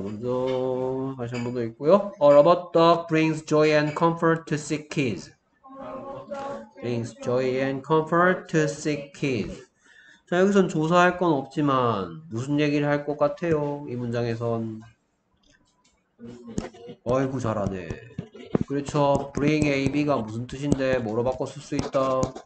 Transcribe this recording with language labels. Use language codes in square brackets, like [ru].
[ko] 먼저 다시 한번더 읽고요. [en] A robot dog brings joy and comfort to sick kids. Brings joy and comfort to sick kids. [ko] 자, 여기선 조사할 건 없지만, 무슨 얘기를 할것 같아요? 이 문장에선. 아이고, 잘하네. 그렇죠. Bring AB가 무슨 뜻인데, 뭐로 바꿔 쓸수 있다?